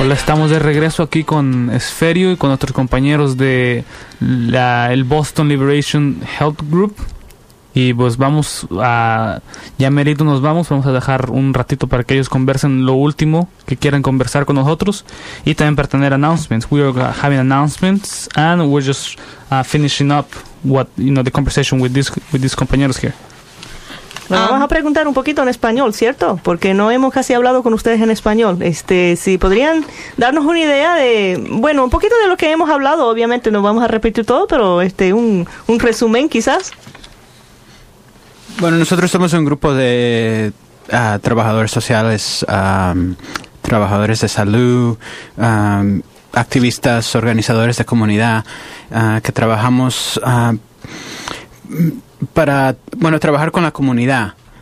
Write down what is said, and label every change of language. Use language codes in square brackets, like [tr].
[es] Estamos de regreso aquí con Esferio y con otros compañeros de la, el Boston Liberation Health Group. Y pues vamos a... Ya merito nos vamos. Vamos a dejar un ratito para que ellos conversen lo último que quieran conversar con nosotros. Y también para tener announcements. [en] We are having announcements. And we're just finishing up what, you know, the conversation with these compañeros here. [es] Vamos a preguntar un poquito en español, ¿cierto? Porque no hemos casi hablado con ustedes en español. Este, si podrían darnos una idea de, bueno, un poquito de lo que hemos hablado, obviamente no vamos a repetir todo, pero este, un resumen quizás. Bueno, nosotros somos un grupo de trabajadores sociales, trabajadores de salud, activistas, organizadores de comunidad, que trabajamos para, bueno, trabajar con la comunidad.